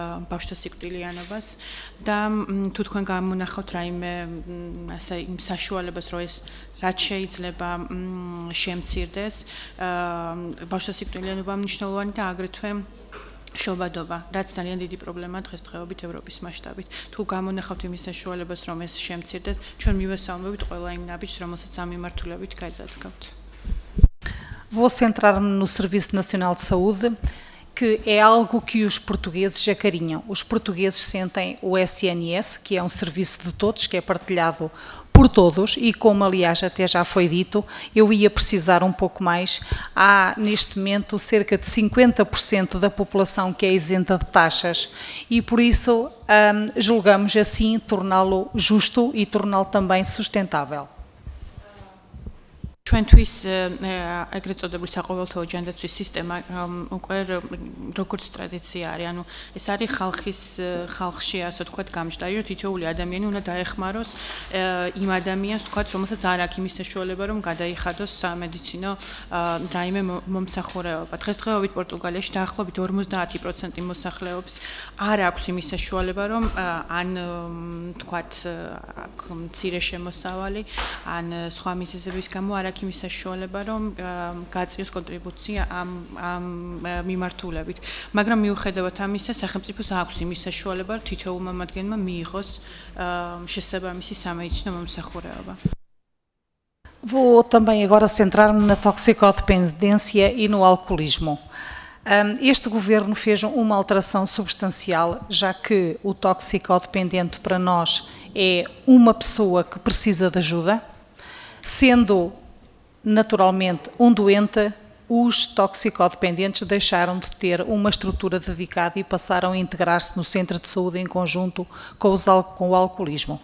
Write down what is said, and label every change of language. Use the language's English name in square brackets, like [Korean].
[Georgian] ბავშვთა სიკვდილიანობას და თუ თქვენ გამონახავთ რაიმე ასე იმ საშუალებას რომ ეს რაც შეიძლება შემცირდეს ბავშვთა სიკვდილიანობა მნიშვნელოვანი და აგრეთვე შობადობა, რაც ძალიან დიდი პრობლემაა დღესდღეობით ევროპის მასშტაბით. თუ გამონახავთ იმის საშუალებას, რომ ეს შემცირდეთ, ჩვენ მივესალმებით ყველა იმ ნაბიჯს, რომელსაც ამიმართულებით გადადგავთ. [Portuguese] Vou centrar-me no Serviço Nacional de Saúde, que é algo que os portugueses já carinham. Os portugueses sentem o SNS, que é um serviço de todos, que é partilhado por todos, e como aliás até já foi dito, eu ia precisar um pouco mais. Há neste momento cerca de 50% da população que é isenta de taxas e por isso julgamos assim torná-lo justo e torná-lo também sustentável. [Georgian] ჩვენთვის ეგრეთ წოდებული საყოველთაო ჯანდაცვის სისტემა უკვე როგორც ტრადიცია არის, ანუ ეს არის ხალხში ასე ვთქვათ გამჟდარი, რომ თითოეული ადამიანი უნდა დაეხმაროს იმ ადამიანს ვთქვათ, რომელსაც არ აქვს იმის საშუალება, რომ გადაიხადოს სამედიცინო რაიმე მომსახურება. დღესდღეობით პორტუგალიაში დაახლოებით 50% მოსახლეობის არ აქვს იმის საშუალება, რომ ან ვთქვათ მცირე შემოსავალი, ან სხვა მიზეზების გამო არ აქვს იმის საშუალება, რომ გაწიოს კონტრიბუცია ამ მიმართულებით. მაგრამ მიუხედავად ამისა, სახელმწიფოს აქვს იმის საშუალება, რომ თითოეულ მომადგენელმა მიიღოს შესაბამისი სამედიცინო მომსახურება. [Portuguese] Vou também agora centrar-me na toxicodependência e no alcoolismo. Este governo fez uma alteração substancial, já que o toxicodependente para nós é uma pessoa que precisa de ajuda, sendo naturalmente um doente, os toxicodependentes deixaram de ter uma estrutura dedicada e passaram a integrar-se no centro de saúde em conjunto com o alcoolismo.